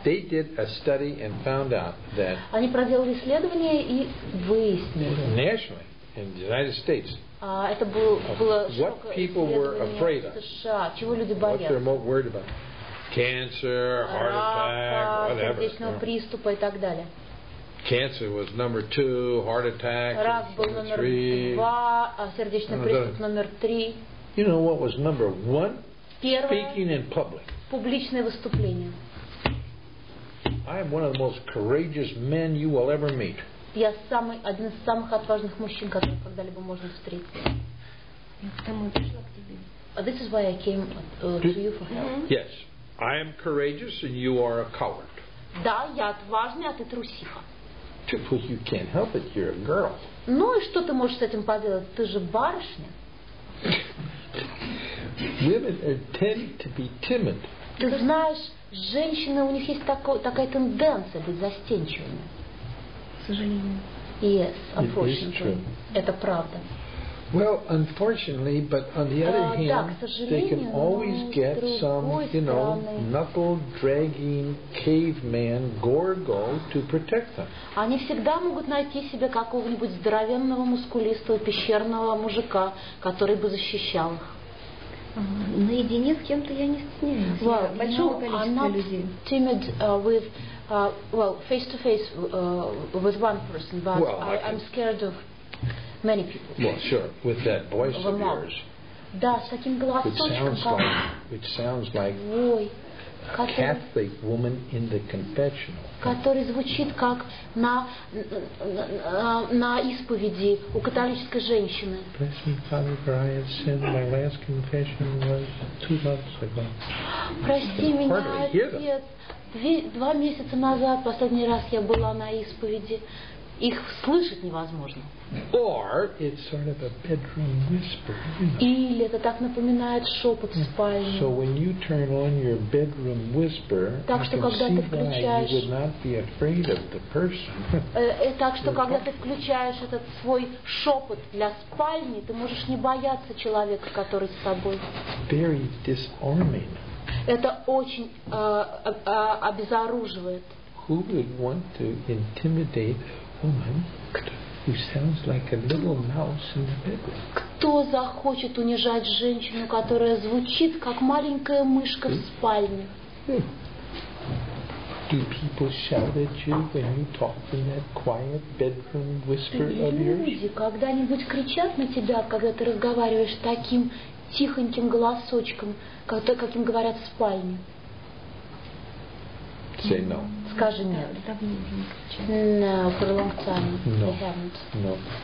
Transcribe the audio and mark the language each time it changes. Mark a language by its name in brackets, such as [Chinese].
[English] They did a study and found out that. [Russian] Они проделали исследование и выяснили. [English] Nationally, in the United States. [Russian] Это было. [English] What people were afraid of. [Russian] США. Чего люди боялись? [English] What they're most worried about. Cancer, heart attack, whatever. [Russian] Сердечного приступа и так далее. [English] Cancer was number two, heart attack. [Russian] Рак был номер два, а сердечный приступ номер три. [English] You know what was number one? [Russian] Первое. [English] Speaking in public. [Russian] Публичное выступление. [English] I am one of the most courageous men you will ever meet. [Russian] Я самый, один из самых отважных мужчин, которых когда-либо можно встретить. Я потому и пришла к тебе. [English] This is why I came to you for help. Yes. I am courageous and you are a coward. [Russian] Да, я отважная, а ты трусиха. Well, you can't help it, you're a girl. Ну и что ты можешь с этим поделать? Ты же барышня. [English] Women tend to be timid. [Russian] Ты знаешь, женщины, у них есть такая тенденция быть застенчивыми. К сожалению. [English] Yes, unfortunately. [Russian] Это правда. [English] Well, unfortunately, but on the other hand, they can always get some, you know, knuckle-dragging caveman gorgo to protect them. [Russian] Они всегда могут найти себе какого-нибудь здоровенного, мускулистого, пещерного мужика, который бы защищал их. Наедине с кем-то я не стесняюсь. [English] Well, I'm not timid with, face-to-face with one person, but well, I'm scared of many people. Well, sure, with that voice of yours. [Russian] Да, с таким голосочком. [English] Which sounds like a Catholic woman in the confessional. [Russian] Который звучит как на исповеди у католической женщины. [English] Bless me, Father, for I have sinned. My last confession was 2 months ago. [Russian] Прости меня, отец. 2 месяца назад последний раз я была на исповеди. их слышать невозможно. [English] Or it's sort of a bedroom whisper, you know. [Russian] Или это так напоминает шепот в спальне. [English] So when you turn on your bedroom whisper, [Russian] так что когда ты включаешь, [English] you would not be afraid of the person. [Russian] Так что когда ты включаешь этот свой шепот для спальни, ты можешь не бояться человека, который с тобой. [English] Very disarming. [Russian] Это очень обезоруживает. [English] Who would want to intimidate a woman who sounds like a little mouse in the bedroom? [Russian] Кто захочет унижать женщину, которая звучит как маленькая мышка в спальне? [English] Do people shout at you when you talk in that quiet bedroom whisper of yours? [Russian] Люди когда-нибудь кричат на тебя, когда ты разговариваешь таким тихоньким голосочком, как им говорят в спальне? [English] Say no. [Russian] Скажи нет. [English] No, for a long time. No. They haven't. No.